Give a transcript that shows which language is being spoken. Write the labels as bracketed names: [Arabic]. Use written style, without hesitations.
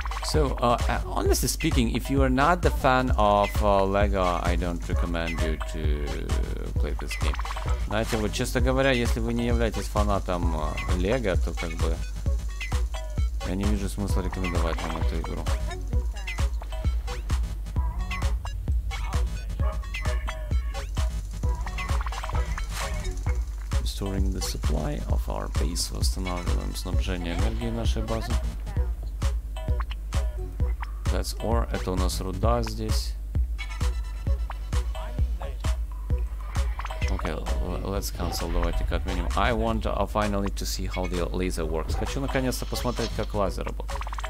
[English] So, honestly speaking, if you are not the fan of LEGO, I don't recommend you to play this game. [Russian] Знаете, вот честно говоря, если вы не являетесь фанатом LEGO, то как бы я не вижу смысла рекомендовать вам эту игру. [English] Restoring the supply of our base. [Russian] Восстанавливаем снабжение энергии нашей базы. [English] That's ore. [Russian] Это у нас руда здесь. [English] Okay, let's cancel. [Russian] Давайте-ка отменим. [English] I want finally to see how the laser works. [Russian] Хочу наконец-то посмотреть, как лазер работает.